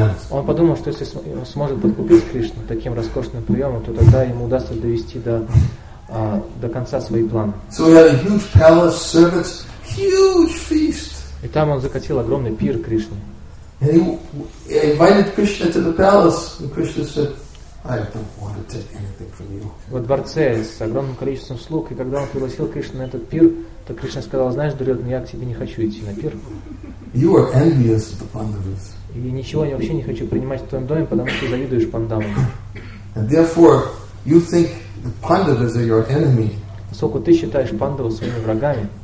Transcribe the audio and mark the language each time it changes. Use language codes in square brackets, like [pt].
[ru] Он подумал, что если сможет подкупить Кришну таким роскошным приемом, то тогда ему удастся довести до конца свои планы. [en] So he had a huge palace, servants, huge feast. [ru] И там он закатил огромный пир Кришне. [en] And he invited Krishna to the palace, and Krishna said, "I don't want to take anything from you." [ru] Во дворце с огромным количеством слуг, и когда он пригласил Кришну на этот пир, то Кришна сказал: "Знаешь, Дурьодхан, я к тебе не хочу идти на пир." [en] You are envious of the Pandavas. [ru] И ничего я вообще не хочу принимать в твоем доме, потому что завидуешь Пандавам. [en] And therefore, you think the Pandavas are your enemy. [ru] Поскольку ты считаешь Пандаву своими врагами.